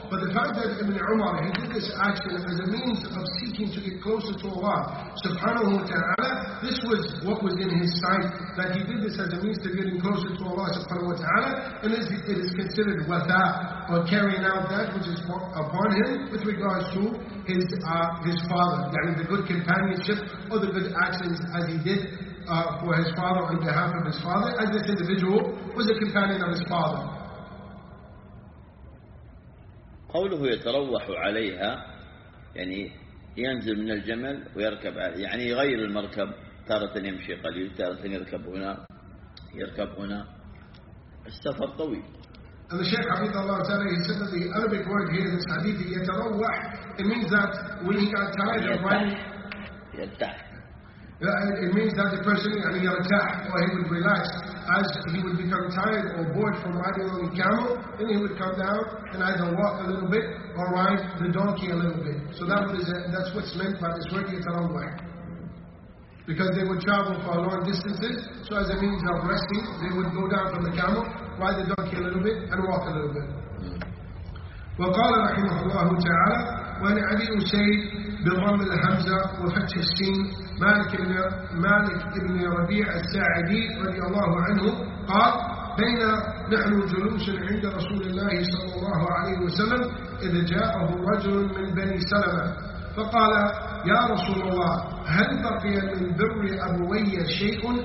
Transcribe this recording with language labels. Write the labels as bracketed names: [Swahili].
[English] But the fact that Ibn Umar, he did this action as a means of seeking to get closer to Allah subhanahu wa ta'ala, this was what was in his sight, that he did this as a means of getting closer to Allah subhanahu wa ta'ala, and it is considered wada, or carrying out that which is upon him with regards to his father, that is the good companionship or the good actions as he did for his father on behalf of his father, as this individual was a companion of his father. [Arabic] قوله يتروح عليها يعني ينزل من الجمل ويركب يعني يغير المركب تارة يمشي قليل تارة يركب هنا يركب هنا السفر طويل. [English] And the Shaykh Hafidh Allah Ta'ala, he said that the Arabic word here in this hadith, يتروح, it means that when he got tired of running, [Arabic] يرتاح. [English] It means that the person, يرتاح, or he would relax. As he would become tired or bored from riding on the camel, then he would come down and either walk a little bit or ride the donkey a little bit. So that's what's meant by this word, يتروح. Because they would travel for long distances, so as a means of resting, they would go down from the camel, ride the donkey a little bit, and walk a little bit. [Arabic] وقال رحمه الله تعالى وعن أبي أسيد بضم الهمزة وفتح السين مالك ابن ربيع الساعدي رضي الله عنه قال بين نحن جلوس عند رسول الله صلى الله عليه وسلم إذ جاءه رجل من بني سلمة فقال يا رسول الله هل بقي من بر أبوي شيء